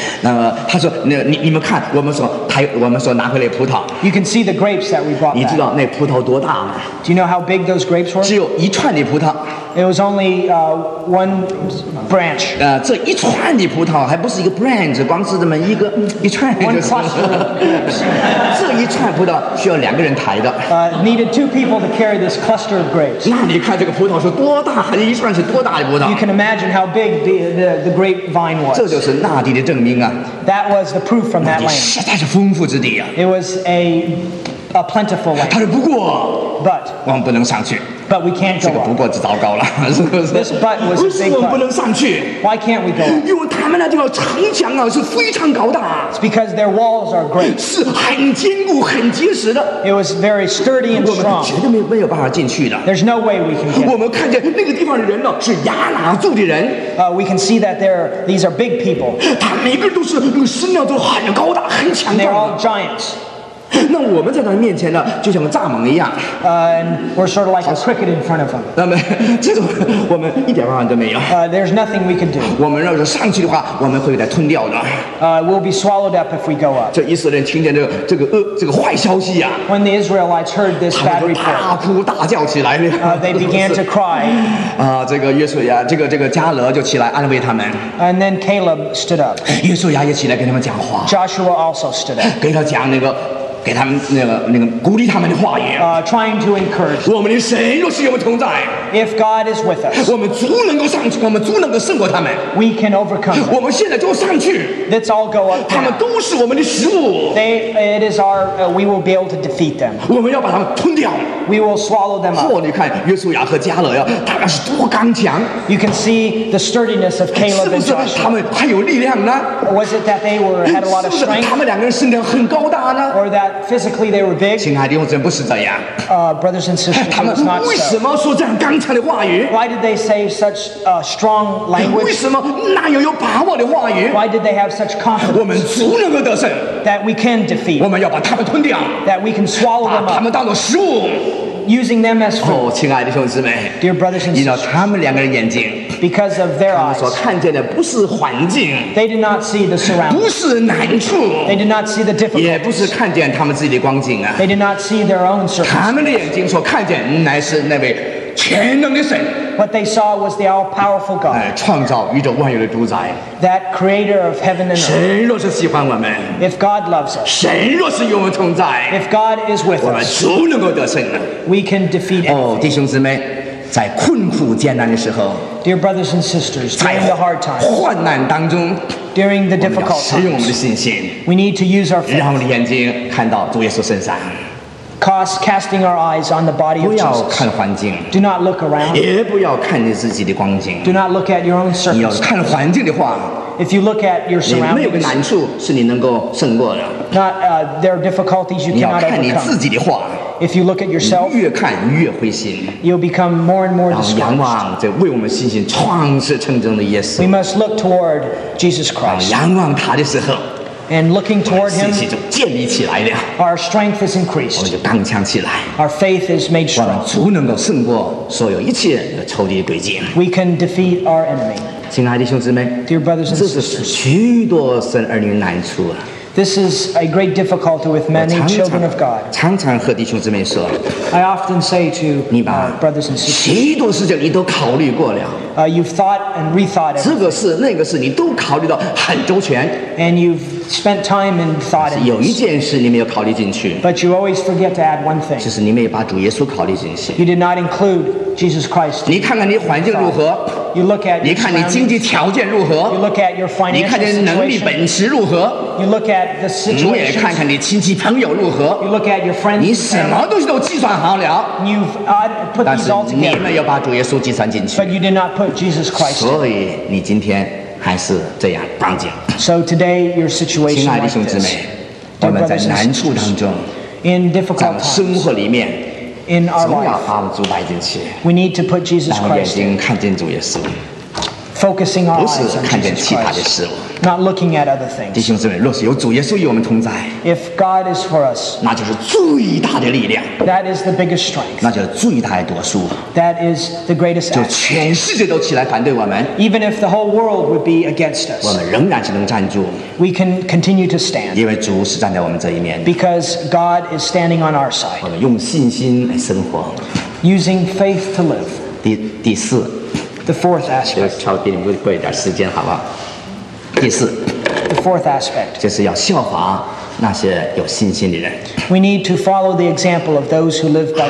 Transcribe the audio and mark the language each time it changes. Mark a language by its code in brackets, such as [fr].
[zh] 那么他说，那你们看，我们说拿回来葡萄。 [en] You can see the grapes that we brought. [zh] 你知道那葡萄多大吗 [en] ？Do you know how big those grapes were? [zh] 只有一串的葡萄。 [en] It was only one branch. [zh] 这一串的葡萄还不是一个 branch， 光是这么一串。 [en] One cluster. [zh] 这一串葡萄需要两个人抬的。 [en] Needed two people to carry this cluster of grapes. [zh] 那你看这个葡萄是多大？一串是多大的葡萄 [en] ？You can imagine how big the grapevine was. [zh] 这就是那地的证明啊。 [en] That was the proof from that land. [zh] 实在是丰富之地啊。 [en] It was a plentiful land. [zh] 他说不过。 [en] But. [zh] 我们不能上去。 [en] But we can't go. [zh] 这个不过就糟糕了，是不是 [en] ？This but was a big but. [zh] 为什么我们不能上去 [en] ？Why can't we go？ [zh] 因为他们那地方城墙啊是非常高大。 [en] It's because their walls are great. [zh] 是很坚固、很结实的。 [en] It was very sturdy and strong. [zh] 我们绝对没有办法进去的。 [en] There's no way we can get. [zh] 我们看见那个地方的人呢是亚拿族的人。 [en] We can see that these are big people. [zh] 他每个人都是身量都很高大、很强壮。 [en] And they're all giants. [zh] 那我们在他面前呢，就像个蚱蜢一样。 [en] We're sort of like a cricket in front of him. [zh] 那么这种我们一点办法都没有。 [en] There's nothing we can do. [zh] 我们要是上去的话，我们会被他吞掉的。 [en] We'll be swallowed up if we go up. [zh] 这以色列人听见这个坏消息呀、啊。 [en] When the Israelites heard this bad report, [zh] 大哭大叫起来。 [en] They began to cry. [zh] 啊，这个约书亚，这个加勒就起来安慰他们。 [en] And then Caleb stood up. [zh] 约书亚也起来跟他们讲话。 [en] Joshua also stood up. [zh] 给他讲那个。给他们那个鼓励他们的话语。 [en] Trying to encourage. [zh] 我们的神若是与我们同在。 [en] If God is with us. [zh] 我们足能够上去，我们足能够胜过他们。 [en] We can overcome. [zh] 我们现在就上去。 [en] Let's all go up. [zh] 他们都是我们的食物。 [en] We will be able to defeat them. [zh] 我们要把他们吞掉。 [en] We will swallow them up. [zh] 你看约书亚和加勒呀，他们是多刚强。 [en] You can see the sturdiness of Caleb and Joshua. [zh] 是不是他们还有力量呢 [en] ？Was it that they were had a lot of strength？ [zh] 是不是他们两个人身量很高大呢 [en] ？Or that physically they were big？ [zh] 亲爱的弟兄姊妹，不是这样。 [en] Brothers and sisters, [zh] 他们为什么说这样刚强的话语 [en] ？Why did they say such a strong language？ [zh] 为什么那样有把握的话语 [en] ？Why did they have such confidence？ [zh] 我们足能够得胜。 [en] That we can defeat。 [zh] 我们要把他们吞掉。 [en] That we can swallow them up。 [zh] 把他们当作食物。 [en] Using them as food. [zh] 亲爱的兄弟姊妹 [en] ，Dear brothers and sisters, [zh] 你知道他们两个人眼睛 [en] ，because of their eyes, [zh] 他们所看见的不是环境 [en] ，they did not see the surroundings, [zh] 不是难处 [en] ，they did not see the difficulties, [zh] 也不是看见他们自己的光景啊 [en] ，they did not see their own circumstances. [zh] 他们的眼睛所看见乃是那位全能的神。 [en] What they saw was the all-powerful God. [zh] 创造宇宙万有的主宰。 [en] That creator of heaven and earth. [zh] 神若是喜欢我们。 [en] If God loves us. [zh] 神若是与我们同在。 [en] If God is with us. [zh] 我们足能够得胜的。 [en] We can defeat anything. [zh] 弟兄姊妹，在困苦艰难的时候。 [en] Dear brothers and sisters, during the hard times. [zh] 在患难当中。 [en] During the difficult times. [zh] 使用我们的信心。 [en] We need to use our faith. [zh] 让我们的眼睛看到主耶稣身上。 [en] Casting our eyes on the body of Jesus. [zh] 不要看环境。 [en] Do not look around. [zh] 也不要看你自己的光景。 [en] Do not look at your own circumstances. [zh] 你要看环境的话。 [en] If you look at your surroundings. [zh] 没有个难处是你能够胜过的。 [en] Not there are difficulties you cannot overcome. [zh] 你要看你自己的话。 [en] If you look at yourself. [zh] 越看越灰心。 [en] You'll become more and more discouraged. [zh] 仰望这为我们信心创始成终的耶稣。 [en] We must look toward Jesus Christ. [zh] 仰望他的时候。 [en] And looking toward him, [zh] 我们信心就建立起来了。 [en] Our strength is increased. [zh] 我们就刚强起来。 [en] Our faith is made strong. [zh] 我们足能够胜过所有一切的仇敌的诡计。 [en] We can defeat our enemy. [zh] 亲爱的弟兄姊妹 [en] ，Dear brothers and sisters, [zh] 这是许多神儿女的难处啊。 [en] This is a great difficulty with many children of God. [zh] 常常和弟兄姊妹说 [en] ，I often say to brothers and sisters, [zh] 许多事情你都考虑过了。 [en] You've thought and rethought everything. [zh] 这个事那个事你都考虑到很周全。 [en] And you've spent time and thought. [zh] 有一件事你没有考虑进去。 [en] But you always forget to add one thing. [zh] 就是你没有把主耶稣考虑进去。 [en] You did not include Jesus Christ. [zh] 你看看你环境如何。 [en] You look at [zh] 你看你经济条件如何 [en] ？You look at your financial situation. [zh] 你看你能力本事如何 [en] ？You look at the situation. [zh] 你也看看你亲戚朋友如何 [en] ？You look at your friends. [zh] 你什么东西都计算好了 [en] ？You've put these all together. [zh] 但是你没有把主耶稣计算进去。 [en] But you did not put Jesus Christ. [zh] 所以你今天还是这样光景。 [en] So today your situation. [zh] 亲爱的弟兄姊妹，我们在难处当中 [en] ，in difficult times， [zh] 在生活里面。 [en] In our life, we need to put Jesus Christ in. Focusing our eyes on Jesus Christ, not looking at other things. [zh] 弟兄姊妹，若是有主耶稣与我们同在 [en] ，If God is for us, [zh] 那就是最大的力量。 [en] That is the biggest strength. [zh] 那就是最大的多数。 [en] That is the greatest. [zh] 就全世界都起来反对我们 [en] ，Even if the whole world would be against us, [zh] 我们仍然是能站住。 [en] We can continue to stand. [zh] 因为主是站在我们这一面。 [en] Because God is standing on our side. [zh] 我们用信心来生活 [en] ，Using faith to live. [zh] 第四。 [en] The fourth aspect. [zh] 要稍微给你们过一点时间，好不好？第四。 [en] The fourth aspect. [zh] 就是要效法那些有信心的人。 [en] We need to follow the example of those who live by faith.